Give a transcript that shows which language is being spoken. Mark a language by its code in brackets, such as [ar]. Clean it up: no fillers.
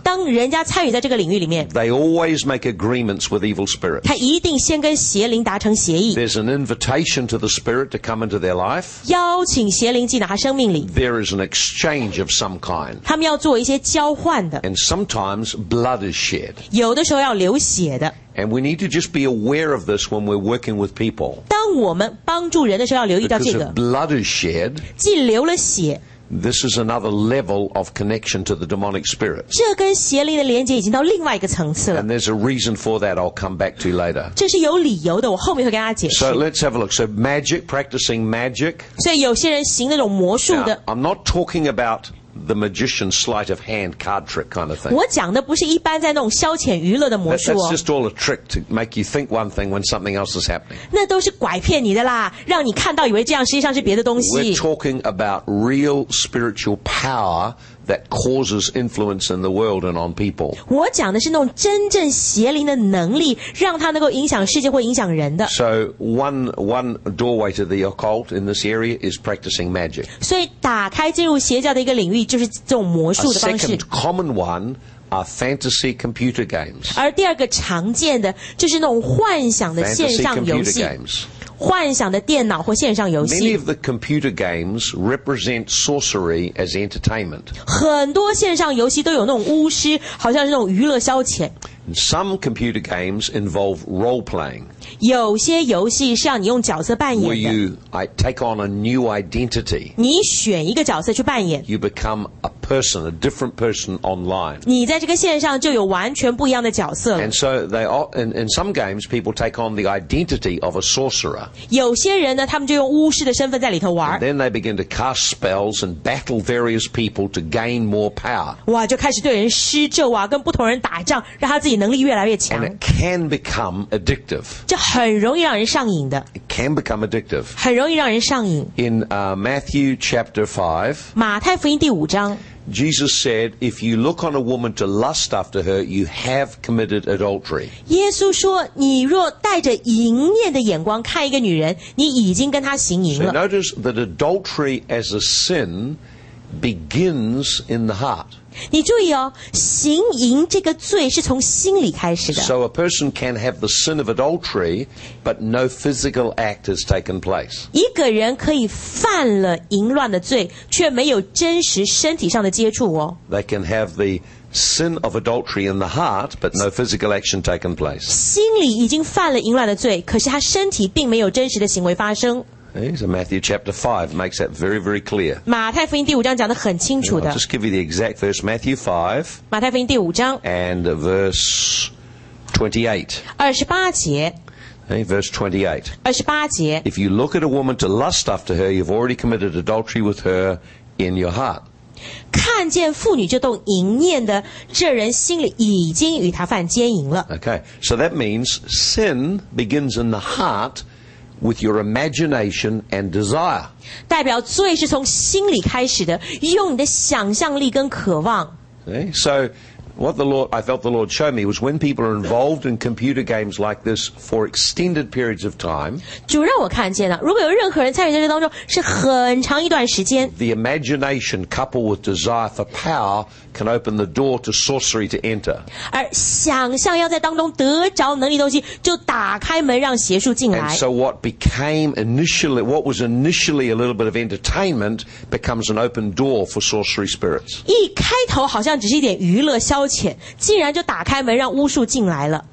[zh] 当人家参与在这个领域里面 [en] they always make agreements with evil spirits [zh] 他一定先跟邪灵达成协议 [en] there's an invitation to the spirit to come into their life [zh] 邀请邪灵进到他生命里 [en] there is an exchange of some kind [zh] 他们要做一些交换的 [en] and sometimes blood is shed [zh] 有的时候要流血的 [en] And we need to just be aware of this when we're working with people. [zh] 当我们帮助人的时候要留意到这个。 [en] Because if blood is shed, [zh] 既流了血。 [en] This is another level of connection to the demonic spirit. [zh] 这跟邪灵的连接已经到另外一个层次了。 [en] And there's a reason for that I'll come back to later. [zh] 这是有理由的，我后面会跟大家解释。 [en] So let's have a look. So magic, practicing magic. [zh] 所以有些人行那种魔术的。 [en] Now, I'm not talking about... The magician's sleight of hand card trick kind of thing. [zh] 我讲的不是一般在那种消遣娱乐的魔术哦。 [en] That's just all a trick to make you think one thing when something else is happening. [zh] 那都是拐骗你的啦，让你看到以为这样，实际上是别的东西。 [en] We're talking about real spiritual power that causes influence in the world and on people. [zh] 我讲的是那种真正邪灵的能力，让它能够影响世界或影响人的。 [en] So one doorway to the occult in this area is practicing magic. [zh] 所以打开进入邪教的一个领域就是这种魔术的方式。 [en] A second common one are fantasy computer games. [zh] 而第二个常见的就是那种幻想的线上游戏。幻想的电脑或线上游戏。 [en] Many of the computer games represent sorcery as entertainment. [zh] 很多线上游戏都有那种巫师，好像是那种娱乐消遣。 [en] Some computer games involve role playing. [zh] 有些游戏是要你用角色扮演的。 [en] Where you take on a new identity. [zh] 你选一个角色去扮演。 [en] You become a person, a different person online. [zh] 你在这个线上就有完全不一样的角色了。 [en] And so they all, in some games, people take on the identity of a sorcerer. [zh] 有些人呢，他们就用巫师的身份在里头玩。 [en] And then they begin to cast spells and battle various people to gain more power. [zh] 哇，就开始对人施咒啊，跟不同人打仗，让他自己能力越来越强。 [en] And it can become addictive. [zh] 就很容易让人上瘾的。 [en] It can become addictive. [zh] 很容易让人上瘾。 [en] In Matthew chapter 5, [zh] 马太福音第五章。 [en] Jesus said, if you look on a woman to lust after her, you have committed adultery. [zh] 耶稣说，你若带着淫念的眼光看一个女人，你已经跟她行淫了。 [en] So notice that adultery as a sin begins in the heart. [zh] 你注意哦，行淫这个罪是从心里开始的。 [en] So a person can have the sin of adultery, but no physical act has taken place. [zh] 一个人可以犯了淫乱的罪，却没有真实身体上的接触哦。 [en] They can have the sin of adultery in the heart, but no physical action taken place. [zh] 心里已经犯了淫乱的罪，可是他身体并没有真实的行为发生。 [en] So Matthew chapter 5 makes that very, very clear. [zh] 马太福音第五章讲得很清楚的。 [en] I'll just give you the exact verse, Matthew 5. [zh] 马太福音第五章。 [en] And verse 28. [zh] 28节。 [en] Verse 28. [zh] 28节。 [en] If you look at a woman to lust after her, you've already committed adultery with her in your heart. [zh] 看见妇女就动淫念的，这人心里已经与她犯奸淫了。 [en] Okay, so that means sin begins in the heart,with your imagination and desire. [zh] 代表罪是从心里开始的，用你的想象力跟渴望。 [en] So, what the Lord, I felt the Lord show me was when people are involved in computer games like this for extended periods of time, [zh] 主让我看见了，如果有任何人参与在这当中，是很长一段时间。 [en] The imagination coupled with desire for power can open the door to sorcery to enter. [zh] 而想象要在当中得着能力的东西，就打开门让邪术进来。 [en] And so what was initially a little bit of entertainment becomes an open door for sorcery spirits. [zh] 一开头好像只是一点娱乐消遣，竟然就打开门让巫术进来了。